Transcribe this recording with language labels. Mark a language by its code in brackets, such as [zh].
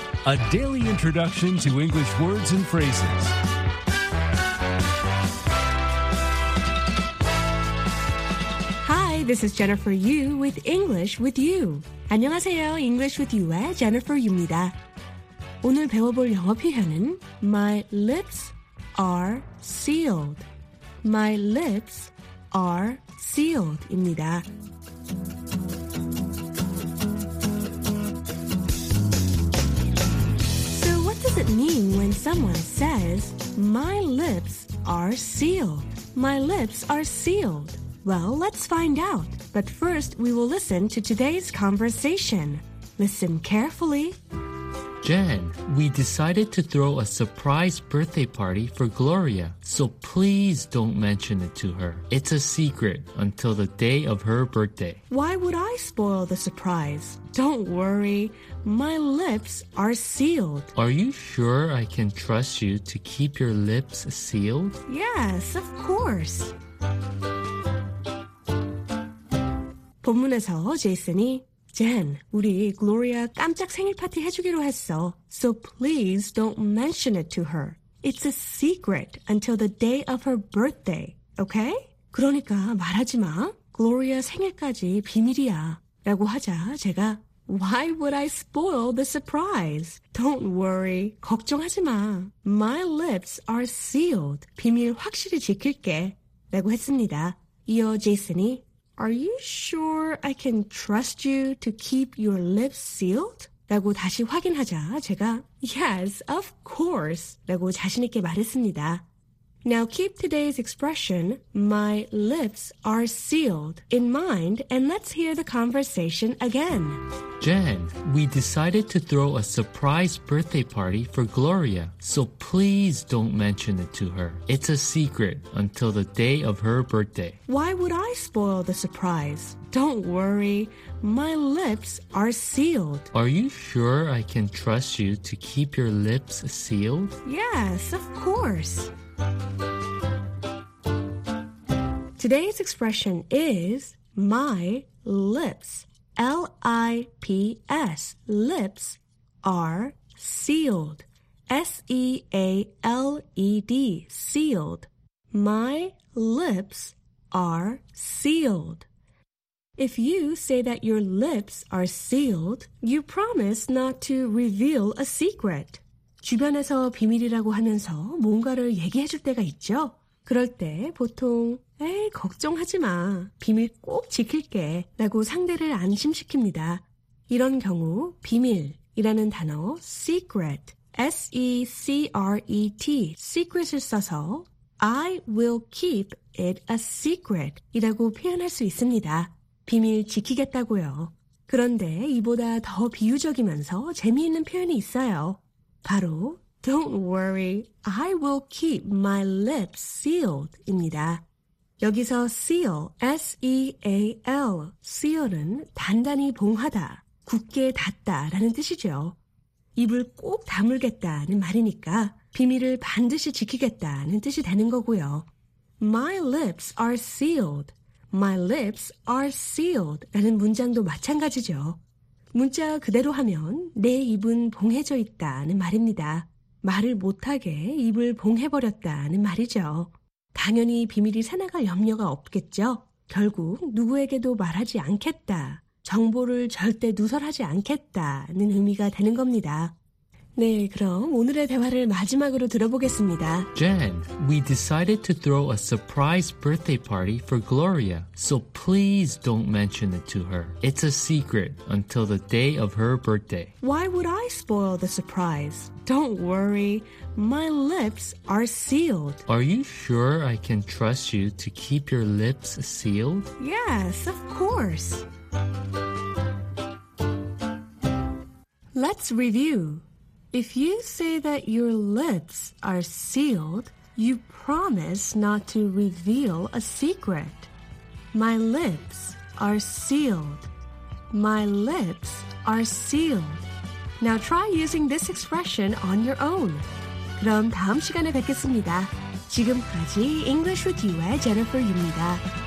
[en] A daily introduction to English words and phrases. Hi, this is Jennifer Yu with English with You. [ko] 안녕하세요, English with You의 Jennifer Yu입니다. 오늘 배워볼 영어 표현은 [en] My lips are sealed. My lips are sealed입니다. What does it mean when someone says, My lips are sealed? My lips are sealed. Well, let's find out. But first, we will listen to today's conversation. Listen carefully. Jen, we decided to throw a surprise birthday party for Gloria, so please don't mention it to her. It's a secret until the day of her birthday. Why would I spoil the surprise? Don't worry, my lips are sealed. Are you sure I can trust you to keep your lips sealed? Yes, of course. [ko] 본문에서 제이슨이 Jen, 우리 Gloria 깜짝 생일 파티 해주기로 했어. [en] So please don't mention it to her. It's a secret until the day of her birthday, okay? [ko] 그러니까 말하지 마. Gloria 생일까지 비밀이야. 라고 하자 제가 [en] Why would I spoil the surprise? Don't worry. [ko] 걱정하지 마. [en] My lips are sealed. [ko] 비밀 확실히 지킬게. 라고 했습니다. 이어 제이슨이 [en] Are you sure I can trust you to keep your lips sealed? [ko] 라고 다시 확인하자 제가 [en] Yes, of course! [ko] 라고 자신있게 말했습니다. [en] Now keep today's expression, my lips are sealed, in mind and let's hear the conversation again. Jen, we decided to throw a surprise birthday party for Gloria, so please don't mention it to her. It's a secret until the day of her birthday. Why would I spoil the surprise? Don't worry, my lips are sealed. Are you sure I can trust you to keep your lips sealed? Yes, of course. Today's expression is my lips. L-I-P-S. Lips are sealed. S-E-A-L-E-D. Sealed. My lips are sealed. If you say that your lips are sealed, you promise not to reveal a secret. [ko] 주변에서 비밀이라고 하면서 뭔가를 얘기해 줄 때가 있죠. 그럴 때 보통 에이, 걱정하지 마. 비밀 꼭 지킬게. 라고 상대를 안심시킵니다. 이런 경우 비밀이라는 단어 secret, [en] S-E-C-R-E-T, secret을 [ko] 써서 [en] I will keep it a secret [ko] 이라고 표현할 수 있습니다. 비밀 지키겠다고요. 그런데 이보다 더 비유적이면서 재미있는 표현이 있어요. 바로 [en] Don't worry, I will keep my lips sealed 입니다. [ko] 여기서 seal, S-E-A-L, seal은 단단히 봉하다, 굳게 닫다 라는 뜻이죠. 입을 꼭 다물겠다는 말이니까 비밀을 반드시 지키겠다는 뜻이 되는 거고요. [en] My lips are sealed. My lips are sealed [ko] 라는 문장도 마찬가지죠. 문자 그대로 하면 내 입은 봉해져 있다는 말입니다. 말을 못하게 입을 봉해버렸다는 말이죠. 당연히 비밀이 새나갈 염려가 없겠죠. 결국 누구에게도 말하지 않겠다. 정보를 절대 누설하지 않겠다는 의미가 되는 겁니다. 네, 그럼 오늘의 대화를 마지막으로 들어보겠습니다. [en] Jen, we decided to throw a surprise birthday party for Gloria, so please don't mention it to her. It's a secret until the day of her birthday. Why would I spoil the surprise? Don't worry, my lips are sealed. Are you sure I can trust you to keep your lips sealed? Yes, of course. Let's review. If you say that your lips are sealed, you promise not to reveal a secret. My lips are sealed. My lips are sealed. Now try using this expression on your own. [ko] 그럼 다음 시간에 뵙겠습니다. 지금까지 English with You의 Jennifer 유입니다.